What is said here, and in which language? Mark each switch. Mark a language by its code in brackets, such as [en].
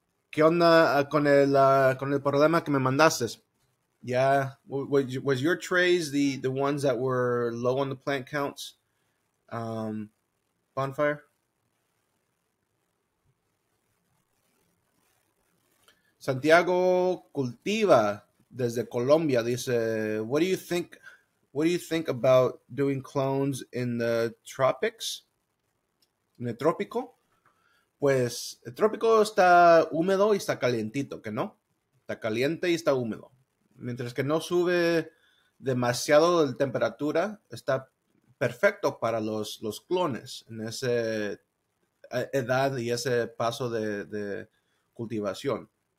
[es] ¿Qué onda con el problema que me mandaste? [en] Yeah, was your trays the ones that were low on the plant counts? Bonfire? Santiago Cultiva desde Colombia dice, what do you think about doing clones in the tropics? [es] En el trópico, pues el trópico está húmedo y está calientito, ¿que no? Está caliente y está húmedo. Mientras que no sube demasiado la temperatura, está perfecto para los clones en esa edad y ese paso de cultivación.